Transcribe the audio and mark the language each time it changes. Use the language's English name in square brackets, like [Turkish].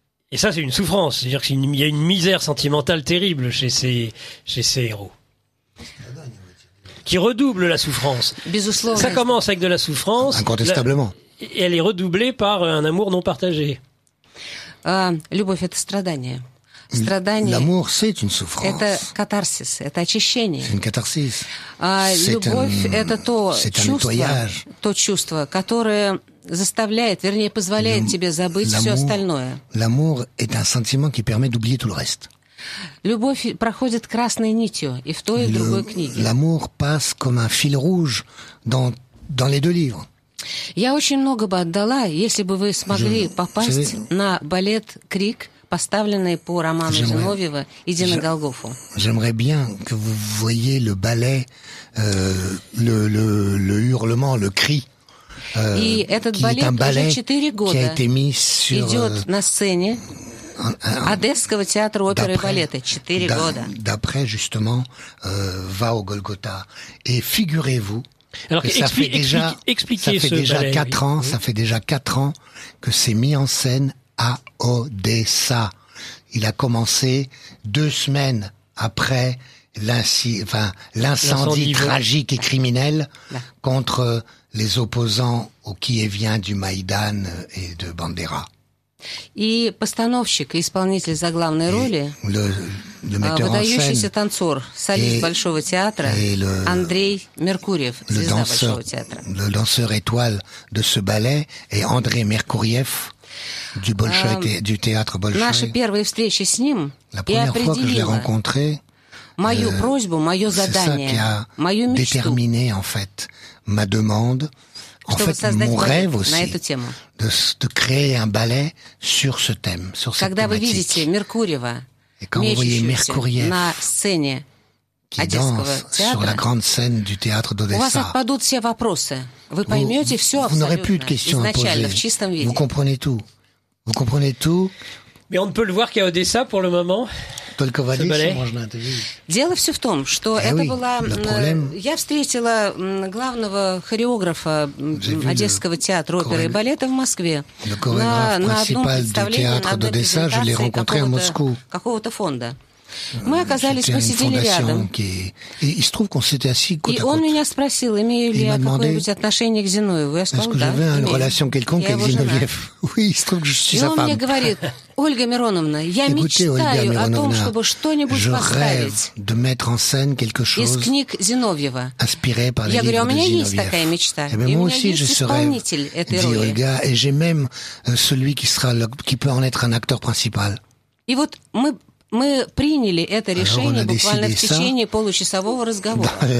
[French] Et ça, c'est une souffrance. C'est-à-dire qu'il y a une misère sentimentale terrible chez ces héros. Qui redouble la souffrance. Ça commence avec de la souffrance. Incontestablement. Et elle est redoublée par un amour non partagé. [Russian] Любовь — это страдание. [French] L'amour, c'est une souffrance. [Russian] Это катарсис, это очищение. [French] C'est une catharsis. [Russian] Любовь — это то чувство, nettoyage. То чувство, которое заставляет, вернее, позволяет тебе забыть все остальное. [French] L'amour est un sentiment qui permet d'oublier tout le reste. [Russian] Любовь проходит красной нитью и в той, и в другой книге. [French] L'amour passe comme un fil rouge dans les deux livres. [Russian] Я очень много бы отдала, если бы вы смогли попасть на балет «Крик», поставленный по роману Зиновьева «Иди на Голгофу». [French] J'aimerais bien que vous voyez le ballet, le hurlement, le cri. [Russian] И этот балет уже 4 года идет на сцене Одесского театра оперы и балета. 4 года. [French] D'après, justement, va au Golgotha. Et figurez-vous, ça fait déjà 4 ans que c'est mis en scène à Odessa. Il a commencé 2 semaines après l'incendie tragique et criminel contre les opposants au qui-et-vient du Maïdan et de Bandera. [Russian] И постановщик, исполнитель за главной роли, выдающийся танцор, солист Большого театра, Андрей Меркурьев, звезда Большого театра. [French] Le danseur étoile de ce ballet est André Меркурьев du Большой du théâtre Большой. [Russian] Наша первая встреча с ним и определила мою просьбу, мое задание, мою мечту. [French] Déterminé en fait. Ma demande, mon rêve aussi, de créer un ballet sur ce thème, sur cette thématique. Et quand vous voyez Меркурьев qui danse sur la grande scène du théâtre d'Odessa, vous n'aurez plus de questions à poser, vous comprenez tout. Vous comprenez tout Mais on ne peut le voir qu'à Odessa pour le moment. [Russian] Только в Одессе можно это видеть. Дело все в том, что это была... Я встретила главного хореографа Одесского театра оперы и балета в Москве. На одном представлении, на презентации какого-то фонда. Мы оказались, мы сидели рядом. И он меня спросил, имею ли я какое-нибудь отношение к Зиноеву. Я сказал, да, имею. Я его жена. И он мне говорит... Ольга Мироновна, я мечтаю о том, чтобы что-нибудь поставить из книг Зиновьева. Я говорю, у меня есть такая мечта. И у меня есть исполнитель этой роли. [French] И j'ai même celui qui peut en être un acteur principal. [Russian] И вот мы приняли это решение буквально в течение получасового разговора.